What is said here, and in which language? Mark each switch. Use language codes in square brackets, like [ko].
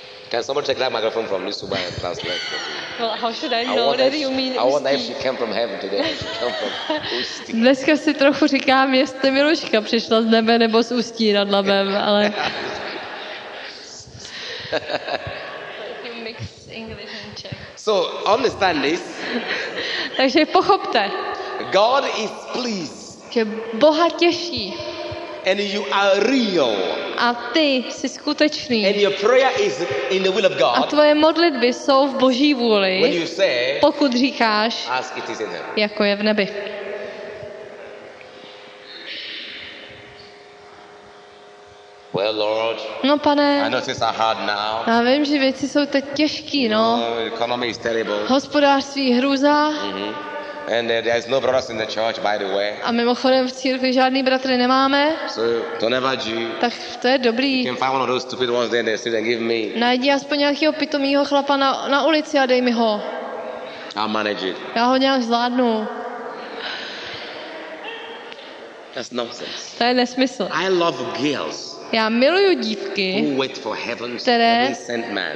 [en] Can someone take that microphone from this woman and translate? Well, how should I know that you mean Ústí? I wonder if she came from heaven today. She came from Ústí. [cs] Dneska si trochu říkám, jestli Miluška přišla z nebe nebo z Ústí nad Labem, ale... [en] You mix English and Czech. So, understand this. [cs] Takže pochopte. [en] God is pleased. [cs] Že Boha těší. [en] And you are real. [cs] A ty jsi skutečný. [en] And your prayer is in the will of God. [cs] A tvoje modlitby jsou v Boží vůli. [en] When you say, [cs] pokud říkáš, [en] as it is in heaven. [cs] Jako je v nebi. [en] Well, Lord. [cs] No, pane. [en] I know things are hard now. [cs] Já vím, že věci jsou teď těžké, no. [en] No, economy is terrible. [cs] Hospodářství hrůza. [en] And there is no brothers in the church, by the way. [cs] A mimochodem v církvi žádný bratry nemáme. So to nevadí. Tak to je dobrý. [en] You can find one of those stupid ones there and they give me. [cs] Najdi aspoň nějakého pitomýho chlapa na ulici a dej mi ho. [en] I'll manage it. [cs] Já ho nějak zvládnu. [en] That's nonsense. [cs] To je nesmysl. [en] I love girls. [cs] Já miluju dívky, [en] who wait for heaven's, které sent man.